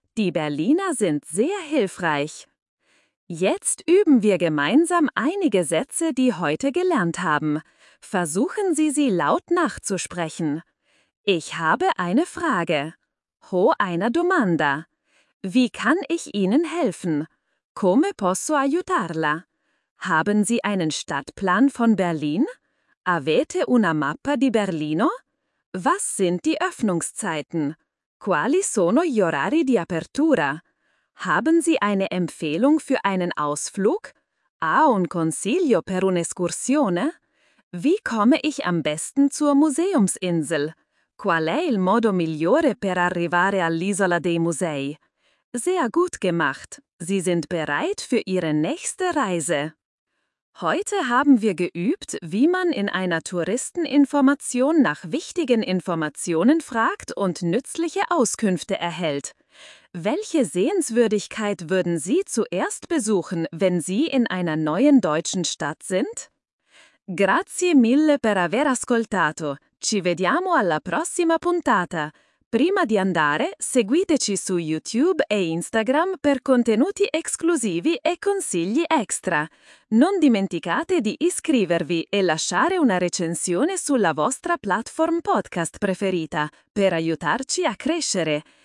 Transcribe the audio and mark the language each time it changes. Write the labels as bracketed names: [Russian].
[German] Die Berliner sind sehr hilfreich. Jetzt üben wir gemeinsam einige Sätze, die heute gelernt haben. Versuchen Sie, sie laut nachzusprechen. Ich habe eine Frage. [Italian] Ho una domanda. [German] Wie kann ich Ihnen helfen? [Italian] Come posso aiutarla? [German] Haben Sie einen Stadtplan von Berlin? [Italian] Avete una mappa di Berlino? [German] Was sind die Öffnungszeiten? [Italian] Quali sono gli orari di apertura? [German] Haben Sie eine Empfehlung für einen Ausflug? [Italian] Ha un consiglio per un'escursione? [German] Wie komme ich am besten zur Museumsinsel? [Italian] Qual è il modo migliore per arrivare all'Isola dei Musei? [German] Sehr gut gemacht. Sie sind bereit für Ihre nächste Reise. Heute haben wir geübt, wie man in einer Touristeninformation nach wichtigen Informationen fragt und nützliche Auskünfte erhält. Welche Sehenswürdigkeit würden Sie zuerst besuchen, wenn Sie in einer neuen deutschen Stadt sind? [Italian] Grazie mille per aver ascoltato. Ci vediamo alla prossima puntata. Prima di andare, seguiteci su YouTube e Instagram per contenuti esclusivi e consigli extra. Non dimenticate di iscrivervi e lasciare una recensione sulla vostra platform podcast preferita per aiutarci a crescere.